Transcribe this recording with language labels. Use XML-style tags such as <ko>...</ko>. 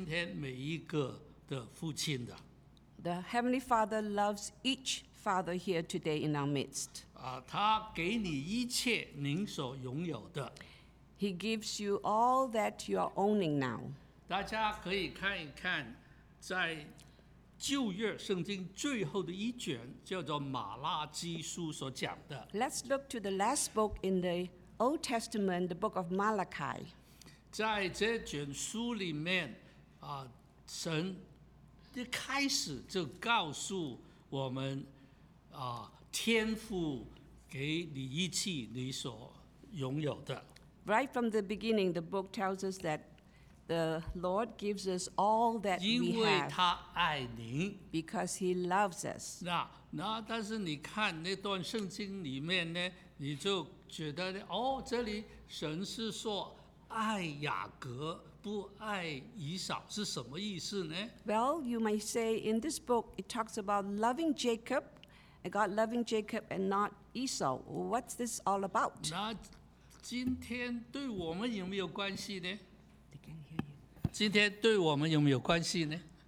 <zh>天父是爱今天每一个的父亲的。</zh> <en>The Heavenly Father loves each father here today in our midst.</en> <zh>他给你一切您所拥有的。</zh> <en>He gives you all that you are owning now.</en> <zh>大家可以看一看在旧约圣经最后的一卷叫做马拉基书所讲的。</zh> <en>Let's look to the last book in the Old Testament, the book of Malachi.</en> <zh>在这卷书里面, 神一开始就告诉我们, 天父给你一切你所拥有的。</zh> <en>Right from the beginning, the book tells us that the Lord gives us all that we have.</en> <zh>因为他爱您,</zh> <en>because He loves us.</en> <zh>那但是你看那段圣经里面呢, 你就觉得呢, 哦, 这里神是说爱雅各, 不爱以扫, 是什么意思呢?</zh> <en>Well, you might say in this book, it talks about loving Jacob, and God loving Jacob and not Esau. What's this all about?</en> <zh>那今天对我们有没有关系呢? 今天对我们有没有关系呢?</zh>